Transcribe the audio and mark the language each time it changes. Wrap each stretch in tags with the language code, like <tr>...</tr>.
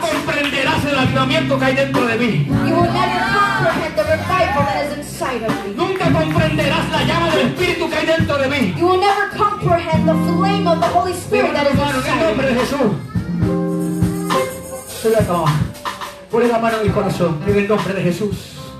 <es>Comprenderás el avivamiento que hay dentro de mí.</es> <en>You will never comprehend the revival that is inside of me.</en> <es>Nunca comprenderás la llama del Espíritu que hay dentro de mí.</es> <en>You will never comprehend the flame of the Holy Spirit that is inside of me.</en> <es>En el nombre de Jesús. Se le acaba. Pone la mano en mi corazón, en el nombre de Jesús.</es>